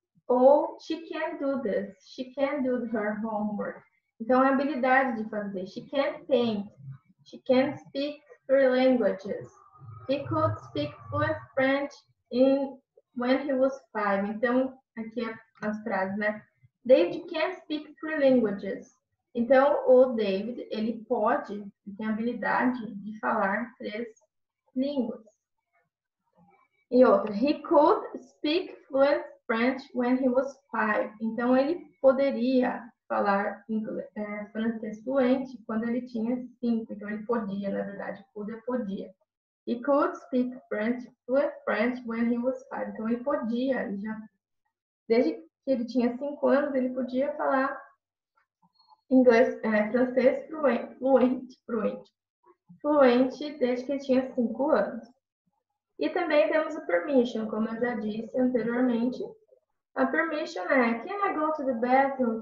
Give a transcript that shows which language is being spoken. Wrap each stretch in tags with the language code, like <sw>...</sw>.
<en>Ou, she can do this, she can do her homework.</en> <pt>Então, a habilidade de fazer.</pt> <en>She can paint. She can speak three languages. He could speak fluent French when he was five.</en> <pt>Então, aqui é as frases, né?</pt> <en>David can speak three languages.</en> <pt>Então, o David, ele pode, ele tem a habilidade de falar três línguas. E outra.</pt> <en>He could speak fluent French when he was five.</en> <pt>Então, ele poderia falar inglês, francês fluente quando ele tinha cinco. Então, ele podia, na verdade, podia.</pt> <en>He could speak French fluent French when he was five.</en> <pt>Então, ele podia, ele já, desde que ele tinha 5 anos, ele podia falar inglês, francês fluente, desde que ele tinha 5 anos. E também temos o permission, como eu já disse anteriormente.</pt> <en>A permission é, can I go to the bathroom?</en>